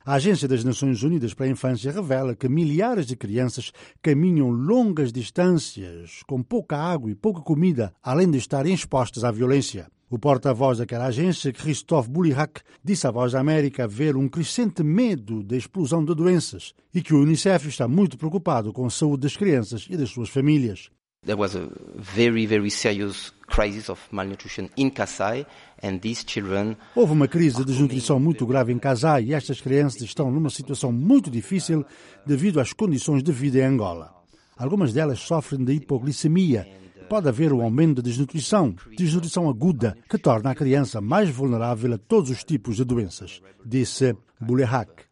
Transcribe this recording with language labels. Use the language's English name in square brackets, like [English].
[Portuguese] A Agência das Nações Unidas para a Infância revela que milhares de crianças caminham longas distâncias, com pouca água e pouca comida, além de estarem expostas à violência. O porta-voz daquela agência, Christophe Boulirac, disse à Voz da América haver um crescente medo da explosão de doenças e que o Unicef está muito preocupado com a saúde das crianças e das suas famílias. [English] There was a very, very serious crisis of malnutrition in Kasai, and these children. [Portuguese] Houve uma crise de desnutrição muito grave em Kasai e estas crianças estão numa situação muito difícil devido às condições de vida em Angola. Algumas delas sofrem de hipoglicemia. Pode haver um aumento de desnutrição aguda, que torna a criança mais vulnerável a todos os tipos de doenças, disse Boulirac.